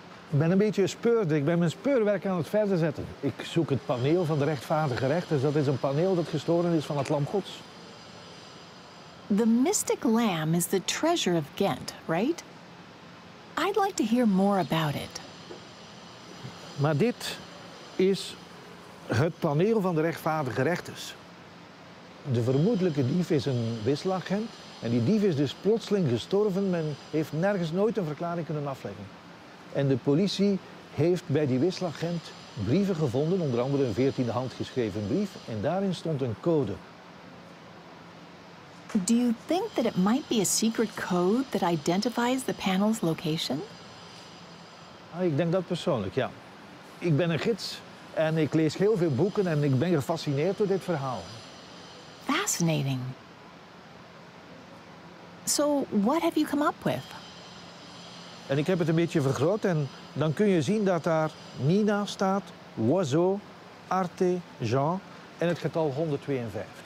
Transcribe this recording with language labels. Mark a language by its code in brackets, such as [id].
[nl] Ik ben een beetje speurd. Ik ben mijn speurwerk aan het verder zetten. Ik zoek het paneel van de rechtvaardige rechters. Dat is een paneel dat gestolen is van het Lam Gods. [en] The Mystic Lamb is the treasure of Ghent, right? I'd like to hear more about it. [nl] Maar dit is het paneel van de rechtvaardige rechters. De vermoedelijke dief is een wisselagent. En die dief is dus plotseling gestorven. Men heeft nergens nooit een verklaring kunnen afleggen. En de politie heeft bij die wisselagent brieven gevonden, onder andere een 14e handgeschreven brief. En daarin stond een code. [en] Do you think that it might be a secret code that identifies the panel's location? [nl] Ik denk dat persoonlijk, ja. Ik ben een gids en ik lees heel veel boeken en ik ben gefascineerd door dit verhaal. [en] Fascinating. So, what have you come up with? [nl] En ik heb het een beetje vergroot en dan kun je zien dat daar Nina staat, Oiseau, Arte, Jean en het getal 152.